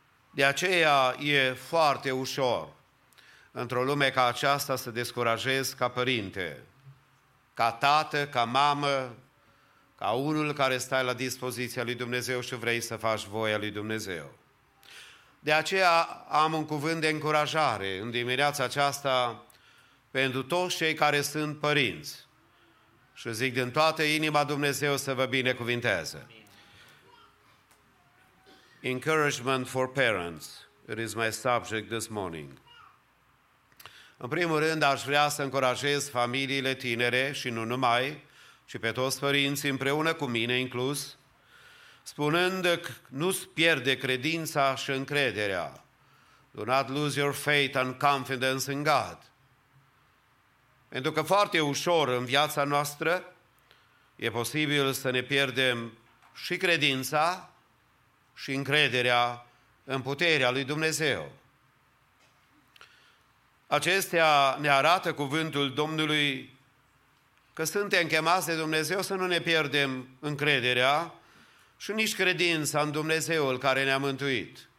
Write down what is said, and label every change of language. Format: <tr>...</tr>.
<ro>De aceea e foarte ușor într-o lume ca aceasta să descurajezi ca părinte, ca tată, ca mamă, ca unul care stai la dispoziția lui Dumnezeu și vrei să faci voia lui Dumnezeu. De aceea am un cuvânt de încurajare în dimineața aceasta pentru toți cei care sunt părinți. Și zic din toată inima, Dumnezeu să vă binecuvinteze.</ro> <en>Encouragement for parents. It is my subject this morning.</en> <ro>În primul rând, aș vrea să încurajez familiile tinere și nu numai, și pe toți părinții împreună cu mine inclus, spunând că nu-ți pierde credința și încrederea.</ro> <en>Do not lose your faith and confidence in God.</en> <ro>Pentru că foarte ușor în viața noastră e posibil să ne pierdem și credința și încrederea în puterea lui Dumnezeu. Acestea ne arată cuvântul Domnului că suntem chemați de Dumnezeu să nu ne pierdem încrederea și nici credința în Dumnezeul care ne-a mântuit.</ro>